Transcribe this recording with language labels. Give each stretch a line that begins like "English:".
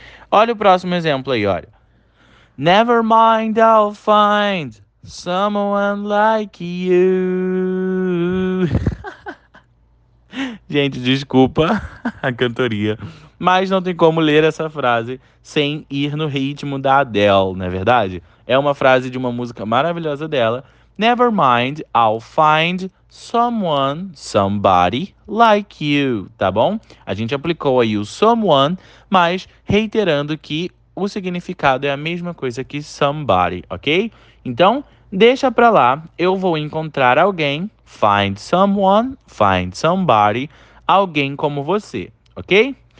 Portuguese: Olha o próximo exemplo aí, olha.
English: Never mind, I'll find someone like you.
Portuguese: Gente, desculpa a cantoria, mas não tem como ler essa frase sem ir no ritmo da Adele, não é verdade? É uma frase de uma música maravilhosa dela.
English: Never mind, I'll find someone, somebody like you,
Portuguese: tá bom? A gente aplicou aí o someone, mas reiterando que o significado é a mesma coisa que somebody, ok? Então, deixa pra lá, eu vou encontrar alguém,
English: find someone, find somebody,
Portuguese: alguém como você, ok?